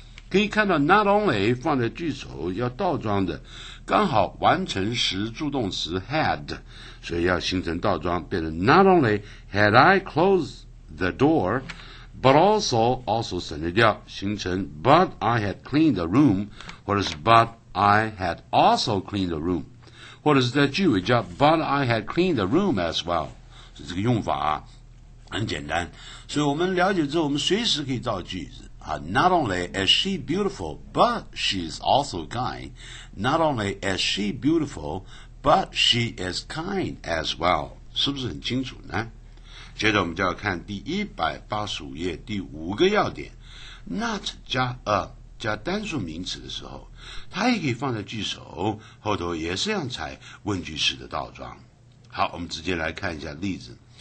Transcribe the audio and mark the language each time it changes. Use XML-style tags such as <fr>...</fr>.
<zh>可以看到</zh> <en>not only</en> <zh>放在句首要倒装的，刚好完成时助动词</zh> <en>had，</en> <zh>所以要形成倒装，变成</zh> <en>Not only had I closed the door but also</en> <zh>省略掉，形成</zh> <en>but I had cleaned the room，</en> <zh>或者是</zh> <en>but I had also cleaned the room，</en> <zh>或者是在句尾加</zh> <en>but I had cleaned the room as well。</en> <zh>所以这个用法啊很简单，所以我们了解之后我们随时可以造句子啊。</zh> <en>Not only is she beautiful but she is also kind， Not only is she beautiful but she is kind as well，</en> <zh>是不是很清楚呢？接着我们就要看第185页第五个要点， not 加 a加单数名词的时候，它也可以放在句首，后头也是要采问句式的倒装。好，我们直接来看一下例子。</zh>